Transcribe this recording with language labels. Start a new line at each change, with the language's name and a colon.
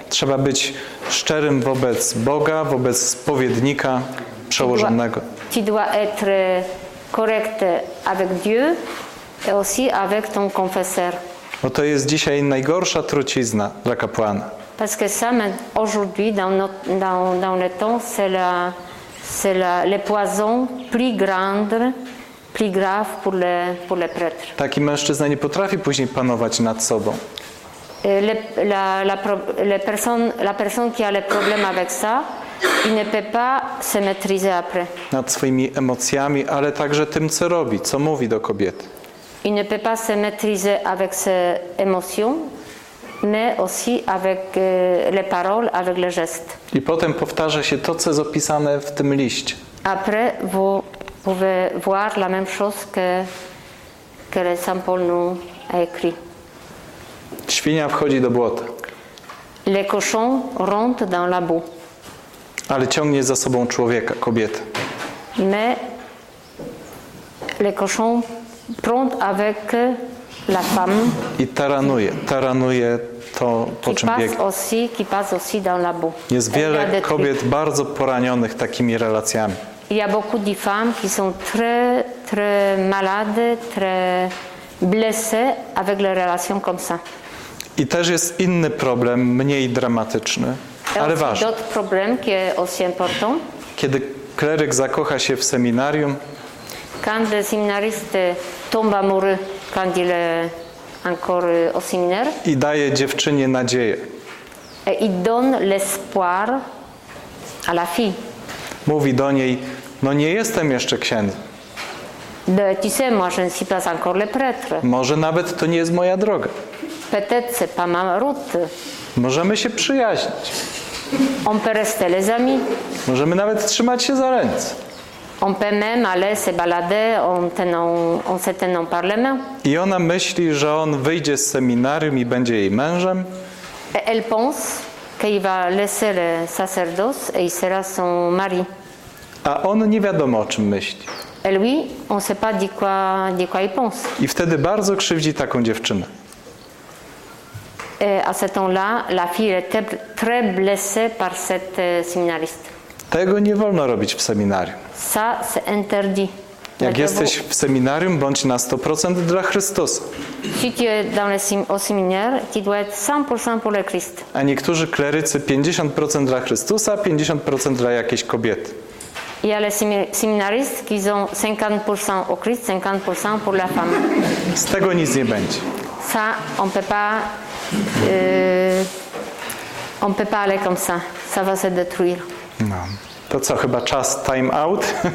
Polish: Trzeba być szczerym wobec Boga, wobec spowiednika przełożonego.
French: Tu dois être correct avec Dieu et aussi avec ton confesseur.
Polish: Bo to jest dzisiaj najgorsza trucizna dla kapłana.
French: Parce que ça, aujourd'hui, dans le temps, c'est le poison plus grand, plus grave pour les prêtres.
Polish: Taki mężczyzna nie potrafi później panować nad sobą.
French: La personne qui a le problème avec ça, il ne peut pas se maîtriser après.
Polish: Nad swoimi emocjami, ale także tym, co robi, co mówi do kobiety.
French: Il ne peut pas se maîtriser avec ses émotions, mais aussi avec les paroles, avec les gestes.
Polish: I potem powtarza się to, co jest opisane w tym liście.
French: Après, vous pouvez voir la même chose que le Saint Paul nous a écrit.
Polish: Świnia wchodzi do błota.
French: Le cochon rentre dans la boue.
Polish: Ale ciągnie za sobą człowieka, kobietę.
French: Mais le cochon prend avec la femme.
Polish: I taranuje to, po czym biegnie.
French: Qui passe aussi dans la boue.
Polish: Jest wiele kobiet bardzo poranionych takimi relacjami.
French: Il y a beaucoup de femmes qui sont très, très malades, très blessées avec les relations comme ça.
Polish: I też jest inny problem, mniej dramatyczny, ale ważny.
French: D'autres problèmes qui sont aussi importants.
Polish: Kiedy kleryk zakocha się w seminarium.
French: Quand le séminariste tombe amoureux, quand il est encore au séminaire.
Polish: I daje dziewczynie nadzieję.
French: Et il donne l'espoir à la fille.
Polish: Mówi do niej, no nie jestem jeszcze księdzem.
French: De, tu sais, moi je ne suis pas encore le prêtre.
Polish: Może nawet to nie jest moja droga.
French: Peut-être c'est pas ma route.
Polish: Możemy się przyjaźnić.
French: On peut rester les amis.
Polish: Możemy nawet trzymać się za ręce.
French: On peut même aller se balader en se tenant par les mains.
Polish: I ona myśli, że on wyjdzie z seminarium i będzie jej mężem.
French: Et elle pense qu'il va laisser le sacerdoce et il sera son mari.
Polish: A on nie wiadomo, o czym myśli.
French: Et lui, on sait pas de quoi il pense.
Polish: I wtedy bardzo krzywdzi taką dziewczynę.
French: Et à ce temps-là, la fille était très blessée par cette séminariste.
Polish: Tego nie wolno robić w seminarium.
French: Ça, c'est interdit.
Polish: Jak jesteś w seminarium, bądź na 100% dla Chrystusa.
French: Si tu es dans le séminaire, tu dois être 100% pour le Christ.
Polish: A niektórzy klerycy 50% dla Chrystusa, 50% dla jakiejś kobiety.
French: Il y a les séminaristes qui ont 50% au Christ, 50% pour la femme.
Polish: Z tego nic nie będzie.
French: Ça, on peut pas aller comme ça. Ça va se détruire.
Polish: No. To co, chyba czas
English: time out?